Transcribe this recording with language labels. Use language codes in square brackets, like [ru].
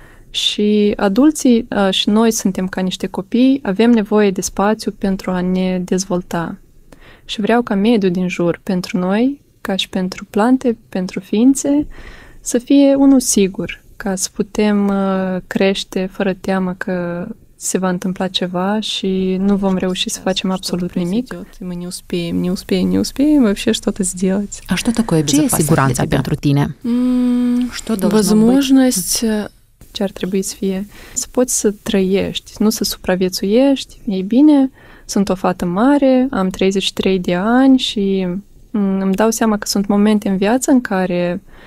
[ro] Și adulții și noi suntem ca niște copii, avem nevoie de spațiu pentru a ne dezvolta. și vreau ca mediul din jur, pentru noi, ca și pentru plante, pentru ființe, să fie unul sigur, ca să putem crește fără teamă că se va întâmpla ceva și nu vom reuși să facem absolut nimic. [ru] Мы не успеем, не успеем, не успеем вообще что-то сделать. А что такое безопасность? [ro] Сигуранца pentru tine? [ru] Что должно быть? [ro] Возможность, ce ar trebui să fie, să poți să trăiești, nu să supraviețuiești, e bine, sunt o fată mare, am 33 de ani și îmi dau seama că sunt momente în viață în care